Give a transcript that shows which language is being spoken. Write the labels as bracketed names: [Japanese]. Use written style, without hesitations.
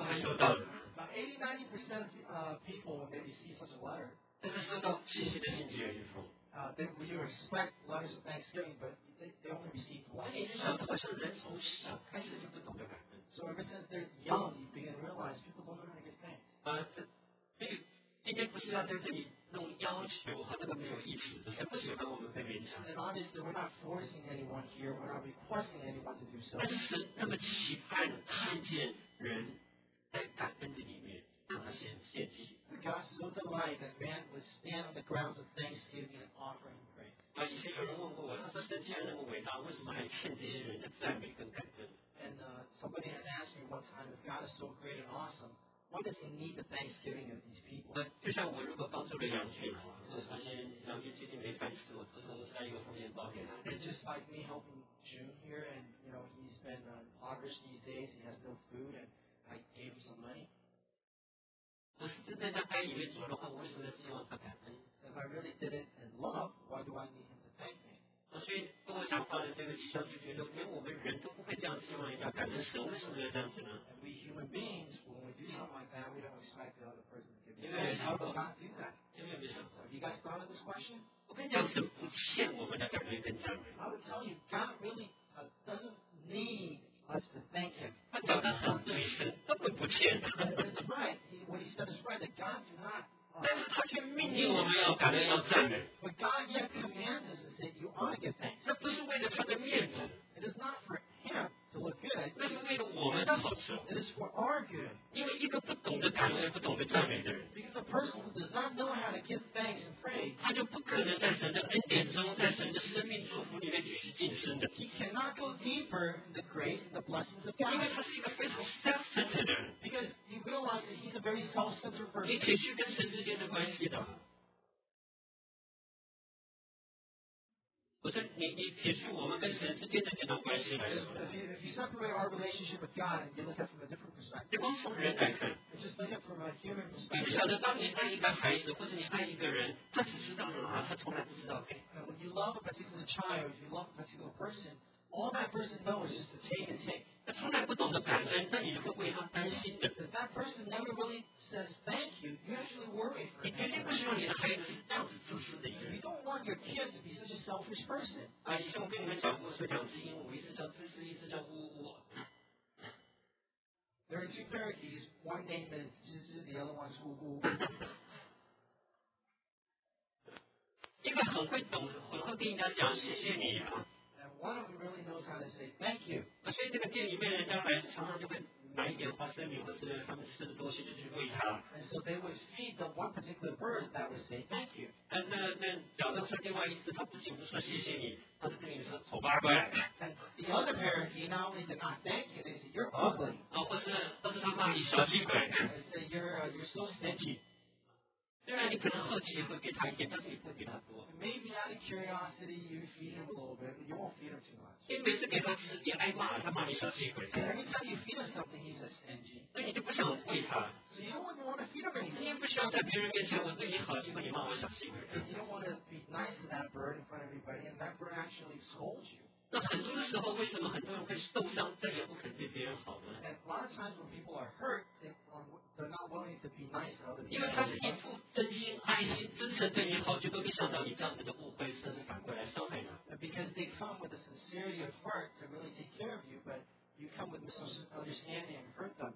[English] About 80-90% of people, when they receive such a letter, you expect letters of thanksgiving, but they only receive one. So ever since they're young, you begin to realize people don't know how to give thanks. [Chinese] 今天不是要在这里弄要求和那个没有意思，不是不喜欢我们被勉强。 [English] And obviously, we're not forcing anyone here. We're not requesting anyone to do so. [Chinese] 但是那么期盼看见人在感恩的里面向他献祭。 [English] God so delighted that man would stand on the grounds of thanksgiving and offering praise. [Chinese] 啊，以前有人问过我，他说神既然那么伟大，为什么还欠这些人的赞美跟感恩 [English] ？And somebody has asked me one time if God is so great and awesome. Why does he need the thanksgiving of these people? [Chinese] 就像我如果帮助了杨俊啊，就是发现杨俊最近没饭吃，我偷偷塞一个风险包给他。 [English] It's just like me helping June here, and you know he's been impoverished these days. He has no food, and I gave him some money. [Chinese] 我是真的在爱里面做的话，我为什么希望他感恩 [English] ？If I really did it in love, why do I need him to thank me? [Chinese] 所以跟我讲话的这个弟兄就觉得，连我们人都不会这样希望人家感恩神，为什么要这样子呢？ [English] And we human beings, when we do something like that, we don't expect the other person to give it. How about not do that? [Chinese] 有没有想过？ [English] Have you guys thought of this question? [Chinese] 我跟你讲，神不欠我们的感恩跟赞美。 [English] I would tell you, God really doesn't need us to thank him. [Chinese] 他讲的很对，神根本不欠。 [English] That's right. What he said is right. That God do not. [Chinese] 但是他却命令我们要感恩要赞美。 [English] But God yet commands us and says you ought to give thanks. [Chinese] 这不是为了他的面子。 [English] It is not for him to look good. [Chinese] 那是为了我们的好处。 [English] It is for our good. [Chinese] 因为一个不懂得感恩、不懂得赞美的人。 [English] Because a person who does not know how to give thanks and praise. [Chinese] 他就不可能在神的恩典中、在神的生命祝福里面继续晋升的。 [English] He cannot go deeper in the grace and the blessings of God. [Chinese] 因为他是一个非常 self-centered 的人。 [English] Because he realizes he's a very self-centered person. [Chinese] 你必须跟神之间的关系的。我说你撇去我们跟神之间的这段关系来说 [English] if you separate our relationship with God and you look at it from a different perspective, [Chinese] 你光从人来看 [English] just look at from a human perspective, [Chinese] 你不晓得当你爱一个孩子或者你爱一个人，他只知道拿，他从来不知道给。 [English] When you love a particular child, if you love a particular person, all that person knows is just to take and take. [Chinese] 他从来不懂得感恩，那你会为他担心的。 [English] If that person never really says thank you, you actually worry for him. [Chinese] 你绝对不希望你的孩子是这样子自私的一个人。 [English] You don't want your kids to be such a selfish person. [Chinese] 啊，以前我跟你们讲过，说两只鹦鹉，一只叫自私，一只叫呜呜。 [English] There are two parakeets. One name is 吱吱， the other one is 呜呜。 [Chinese] 一个很会懂，很会跟人家讲谢谢你啊。 [English] One of them really knows how to say thank you. [Chinese] 所以这个店里面人家来，常常就会买一点花生米，或是他们吃的东西，就去喂他。 [English] And so they would feed the one particular bird that would say thank you. [Chinese] 那早上说另外一只，他不仅不说谢谢你，他就跟你说丑八怪。 [English] And the other parent, he not only did not thank you, they say you're ugly. [Chinese] 或是他骂你小气鬼。 [English] They say you're so stingy. [Chinese] 虽然你可能好奇会给他一点，但是你不会给他多。 [English] Maybe out of curiosity, you feed him a little bit, but you won't feed him too much. [Chinese] 因为每次给他吃，你挨骂，他骂你小气鬼。 [English] Every time you feed him something, he says stingy. [Chinese] 那你就不想喂他。 [English] So you don't want to feed him anymore. [Chinese] 你也不希望在别人面前我对你好，结果你骂我小气鬼。 [English] You don't want to be nice to that bird in front of everybody, and that bird actually scolds you. [Chinese] 那很多的时候，为什么很多人会受伤，再也不肯对别人好呢？ [English] And a lot of times when people are hurt, they're not willing to be nice to other people. [Chinese] 因为他是一副真心爱心真诚对你好，结果没想到你这样子的误会，甚至反过来伤害他。 [English] Because they come with a sincerity of heart to really take care of you, but you come with misunderstanding and hurt them.